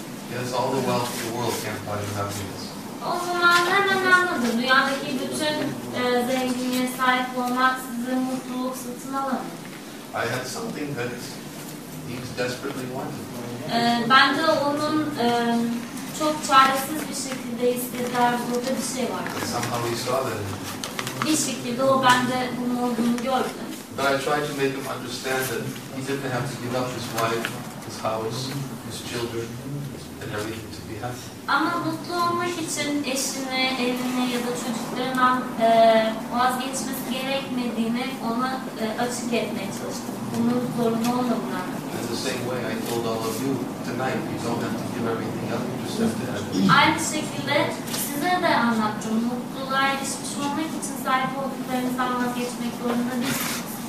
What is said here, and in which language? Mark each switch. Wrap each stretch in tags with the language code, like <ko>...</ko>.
<en>He has all the wealth in the world, can't buy him happiness.</en> <tr>O zaman hemen anladım. Dünyadaki bütün zenginliğe sahip olmak sizi mutluluk satın alamıyor.</tr> <en>I had something that he desperately wanted.</en> <tr>Ben de onun çok çaresiz bir şekilde istediği arzuda bir şey vardı.</tr> <en>Somehow he saw that.</en> <tr>Bir şekilde o bende bunun olduğunu gördü.</tr> <en>But I tried to make him understand that he didn't have to give up his wife, his house, his children, and everything to be happy.</en> <tr>Ama mutlu olmak için eşini, evini ya ya da çocukların vazgeçmesi gerekmediğini ona açık etmeye çalıştım. Bunun zorunlu olmamına.</tr> <en>In the same way I told all of you tonight, you don't have to give everything up, you just have to have it.</en> <tr>Aynı şekilde size de anlattım. Mutluluğa erişmiş olmak için sahip olduklarınızı almak geçmek zorunda değilsiniz.</tr>